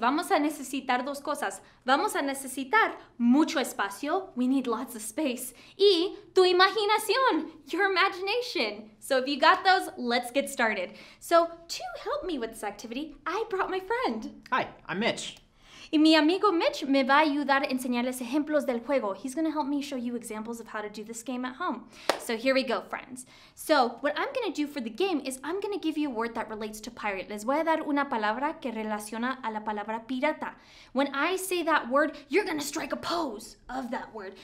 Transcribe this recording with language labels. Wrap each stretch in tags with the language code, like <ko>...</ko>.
<es>Vamos a necesitar dos cosas. Vamos a necesitar mucho espacio.</es> <en>We need lots of space.</en> <es>Y tu imaginación,</es> <en>your imagination. So if you got those, let's get started. So to help me with this activity, I brought my friend. Hi, I'm Mitch.</en> <es>Y mi amigo Mitch me va a ayudar a enseñarles ejemplos del juego.</es> <en>He's going to help me show you examples of how to do this game at home. So here we go, friends. So what I'm going to do for the game is I'm going to give you a word that relates to pirate.</en> <es>Les voy a dar una palabra que relaciona a la palabra pirata.</es> <en>When I say that word, you're going to strike a pose of that word.</en>